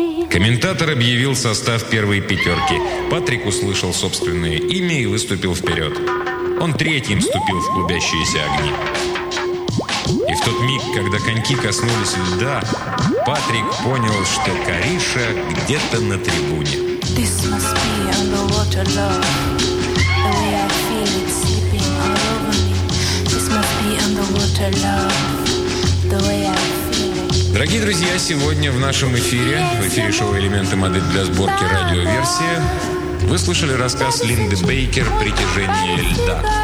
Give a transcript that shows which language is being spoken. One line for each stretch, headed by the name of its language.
Russian: Комментатор объявил состав первой пятерки. Патрик услышал собственное имя и выступил вперед. Он третьим вступил в клубящиеся огни. И в тот миг, когда коньки коснулись льда, Патрик понял, что Кариша где-то на трибуне.
English: This must be underwater love. The way I feel it sleeping all over me. This must be underwater love. The way I...
Russian: Дорогие друзья, сегодня в нашем эфире, в эфире шоу «Элементы модель для сборки радиоверсия», вы слышали рассказ Линды Бейкер «Притяжение льда».